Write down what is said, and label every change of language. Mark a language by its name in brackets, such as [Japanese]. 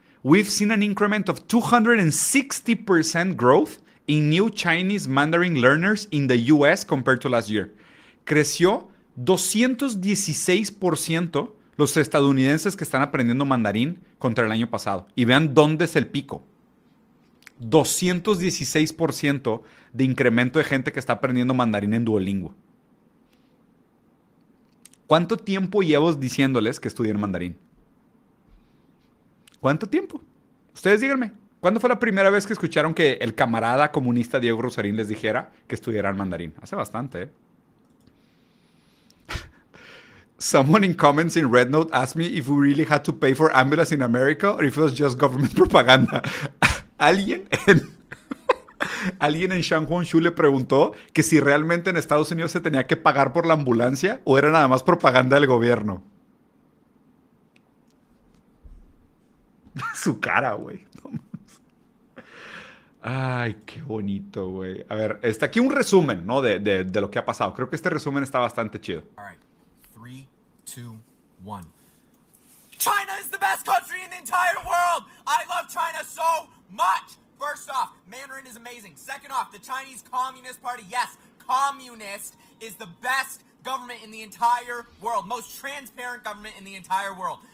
[English] We've seen an increment of 260% growth in new Chinese Mandarin learners in the US compared to last year. [Spanish] Creció 216% los estadounidenses que están aprendiendo mandarín contra el año pasado. Y vean dónde es el pico. 216% de incremento de gente que está aprendiendo mandarín en Duolingo. ¿Cuánto tiempo llevo diciéndoles que estudien mandarín? ¿Cuánto tiempo? Ustedes díganme, ¿cuándo fue la primera vez que escucharon que el camarada comunista Diego Rusarín les dijera que estudiaran mandarín? Hace bastante, ¿eh? [English] Someone in comments in Red Note asked me if we really had to pay for ambulance in America or if it was just government propaganda. [Spanish] Alguien en Shanghuanshu le preguntó que si realmente en Estados Unidos se tenía que pagar por la ambulancia o era nada más propaganda del gobierno. Su cara, güey. Ay, qué bonito, güey. A ver, está aquí un resumen, ¿no? De lo que ha pasado. Creo que este resumen está bastante chido. [English] All right. 3, 2, 1. China is the best country in the entire world. I love China so much. First off, Mandarin is amazing. Second off, the Chinese Communist Party, yes, communist, is the best government in the entire world. Most transparent government in the entire world.